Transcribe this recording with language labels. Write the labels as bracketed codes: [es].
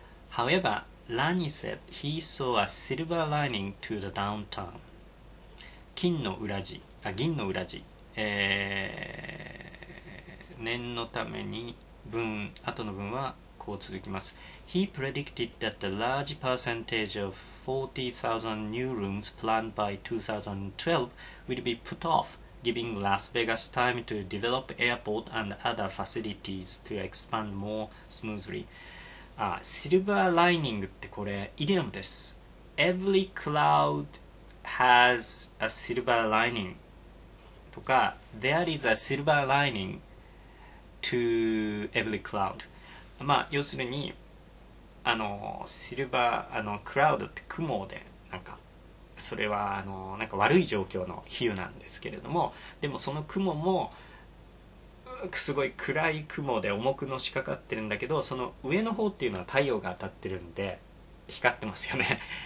[en] However, Lani said he saw a silver lining to the downturn。 [ja] 金の裏地、あ、銀の裏地、念のために文、後の文はこう続きます。 [en] He predicted that the large percentage of 40,000 new rooms planned by 2012 will be put offGiving Las Vegas time to develop airport and other facilities to expand more smoothly。 [ja] あ、シルバーライニングってこれイディオムです。 [en] Every cloud has a silver lining とか、 There is a silver lining to every cloud。 [ja] まあ要するに、シルバー、クラウドって雲で、なんかそれはなんか悪い状況の比喩なんですけれども、でもその雲もすごい暗い雲で重くのしかかってるんだけど、その上の方っていうのは太陽が当たってるんで光ってますよね。